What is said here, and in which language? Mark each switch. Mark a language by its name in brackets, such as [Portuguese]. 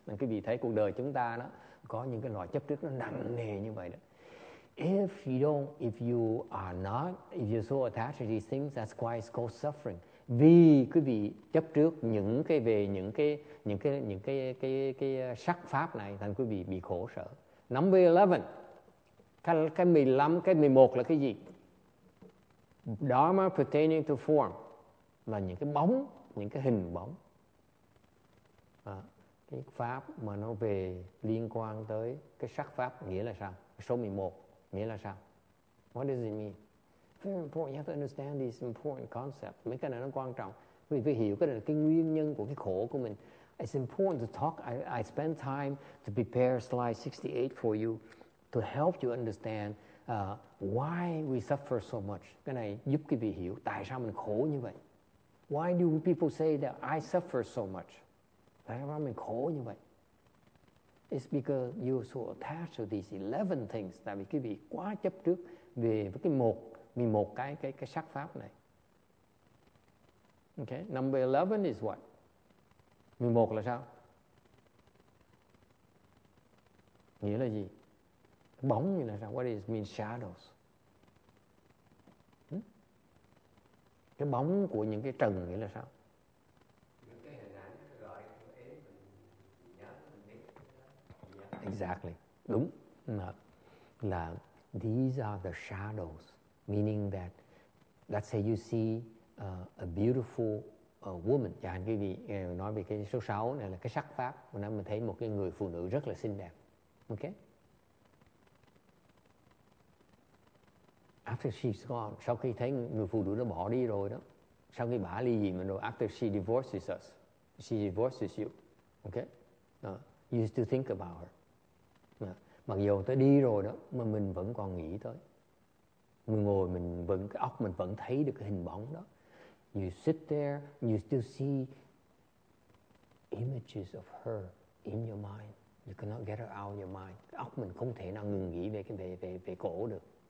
[Vietnamese] Nên quý vị thấy cuộc đời chúng ta đó có những cái loại chấp trước nó nặng nề như vậy đó. [English] If you're so attached to these things, that's why it's called suffering. [Vietnamese] Vì quý vị chấp trước những cái về những cái sắc pháp này, thành quý vị bị khổ sở. [English] Number 11. [Vietnamese] Cái 15, cái 11 là cái gì? [English] Dharma pertaining to form. [Vietnamese] Là những cái bóng, những cái hình bóng. À, cái pháp mà nó về liên quan tới cái sắc pháp nghĩa là sao? Số 11 nghĩa là sao? [English] What does it mean? Very important, you have to understand these important concepts. [Vietnamese] Mấy cái này nó quan trọng. Vì phải hiểu cái này là cái nguyên nhân của cái khổ của mình. [English] It's important to talk, I spend time to prepare slide 68 for you to help you understand why we suffer so much. [Vietnamese] Cái này giúp quý vị hiểu tại sao mình khổ như vậy. [English] Why do people say that I suffer so much? [Vietnamese] Tại sao mình khổ như vậy? [English] It's because you're so attached to these 11 things. [Vietnamese] Tại vì quý vị quá chấp trước về với cái một, vì một cái sắc pháp này. [English] Okay, number 11 is what? [Vietnamese] 11 là sao? Nghĩa là gì? Bóng như là sao? [English] What does it mean, shadows? [Vietnamese] Cái bóng của những cái trần nghĩa là sao? [English] Exactly. [Vietnamese] Đúng. Là [English] these are the shadows. Meaning that, let's say you see a beautiful woman. [Vietnamese] Chẳng hạn quý vị nói về cái số 6 này là cái sắc pháp. Hồi nãy mình thấy một cái người phụ nữ rất là xinh đẹp. Okay? [English] After she's gone, [Vietnamese] sau khi thấy người phụ nữ nó bỏ đi rồi đó, sau khi bà ly dị mình rồi, [English] after she divorces us, she divorces you, okay? You still think about her. [Vietnamese] Mặc dù tới đi rồi đó, mà mình vẫn còn nghĩ tới. Mình ngồi, mình vẫn, cái óc mình vẫn thấy được cái hình bóng đó. [English] You sit there, you still see images of her in your mind. You cannot get her out of your mind. [Vietnamese] Cái óc mình không thể nào ngừng nghĩ về cái về cổ được.